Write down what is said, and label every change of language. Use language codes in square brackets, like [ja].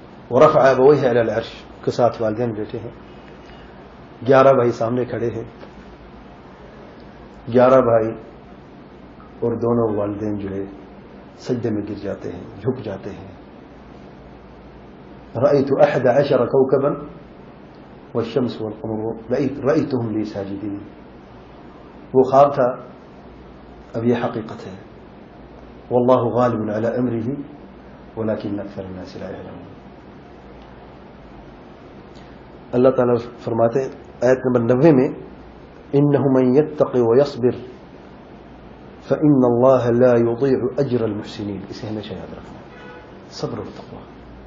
[ar] ورفع ابویہ علی العرش، [ur] کے ساتھ والدین بیٹھے ہیں، 11 بھائی سامنے کھڑے ہیں، 11 بھائی اور دونوں والدین جو ہے سجدے میں گر جاتے ہیں، جھک جاتے ہیں. [ar] رأيت 11 كوكبا والشمس والقمر رأيتهم لي ساجدين. [ur] وہ خواب تھا، اب یہ حقیقت ہے. [ar] والله غالب على امره ولكن اكثر الناس لا يعلمون. [ur] اللہ تعالی فرماتے ہیں آیت نمبر 90 میں، [ar] انه من يتقي ويصبر فان الله لا يضيع اجر المحسنين. [ur] اسے ہمیشہ یاد رکھنا، صبر و تقوی.